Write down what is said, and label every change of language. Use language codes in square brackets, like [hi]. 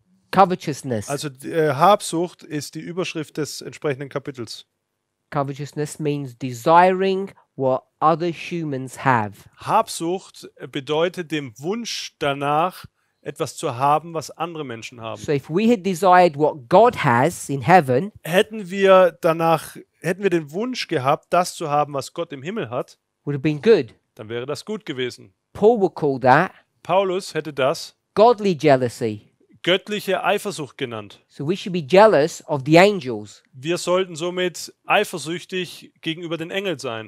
[en] Covetousness. [de] Also Habsucht ist die Überschrift des entsprechenden Kapitels. [en] Covetousness means desiring what other humans have. [de] Habsucht bedeutet dem Wunsch danach, etwas zu haben, was andere Menschen haben. [en] So if we had desired what God has in heaven, [de] hätten wir den Wunsch gehabt, das zu haben, was Gott im Himmel hat, [en] would have been good. [de] Dann wäre das gut gewesen. [en] Paul would call that [de] Paulus hätte das [en] godly jealousy. [de] Göttliche Eifersucht genannt. [en] So we should be jealous of the angels. [de] Wir sollten somit eifersüchtig gegenüber den Engeln sein.